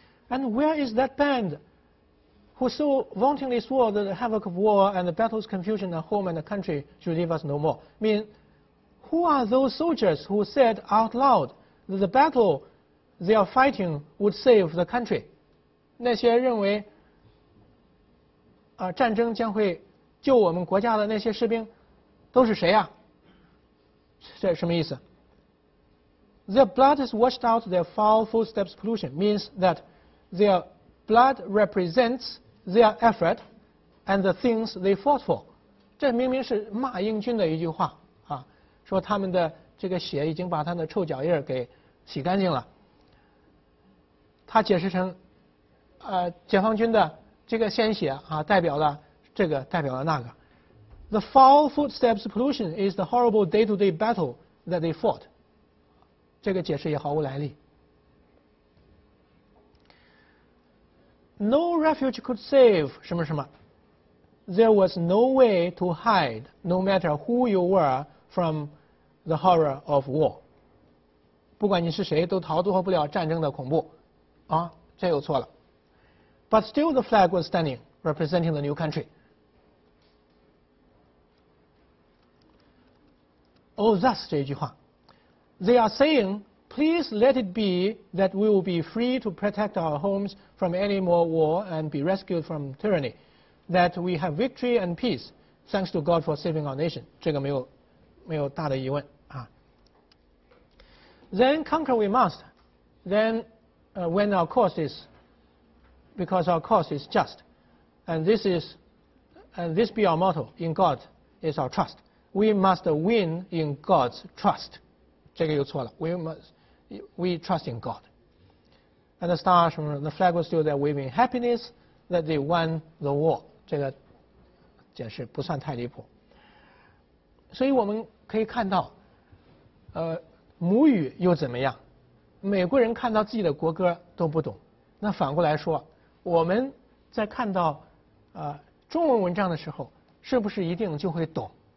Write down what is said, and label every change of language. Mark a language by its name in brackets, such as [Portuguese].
[English] And where is that band, who so vauntingly swore that the havoc of war and the battle's confusion and home and the country should leave us no more? I mean, who are those soldiers who said out loud that the battle they are fighting would save the country? [Chinese] 那些认为啊，战争将会救我们国家的那些士兵都是谁啊？这什么意思 [English] ？Their blood has washed out their foul footsteps pollution means that their blood represents their effort and the things they fought for. [Chinese] 这明明是骂英军的一句话啊，说他们的这个血已经把他的臭脚印给洗干净了。他解释成解放军的这个鲜血啊，代表了这个，代表了那个。 [English] The foul footsteps pollution is the horrible day-to-day battle that they fought. [Chinese] 这个解释也毫无来历。 [English] No refuge could save [Chinese] 什么什么。 [English] There was no way to hide, no matter who you were, from the horror of war. [Chinese] 不管你是谁，都逃脱不了战争的恐怖。啊，这又错了。 [English] But still the flag was standing, representing the new country. Oh, thus, [Chinese] 这一句话。 [English] They are saying, please let it be that we will be free to protect our homes from any more war and be rescued from tyranny, that we have victory and peace, thanks to God for saving our nation. [Chinese] 这个没有大的疑问啊。 [English] Then conquer we must. Then, when our cause is... Because our cause is just, and this be our motto. In God is our trust. We must win in God's trust. [Chinese] 这个又错了。 [English] We trust in God. And the star, the flag was still there waving happiness that they won the war. [Chinese] 这个解释不算太离谱。所以我们可以看到，母语又怎么样？美国人看到自己的国歌都不懂。那反过来说。我们在看到中文文章的时候，是不是一定就会懂？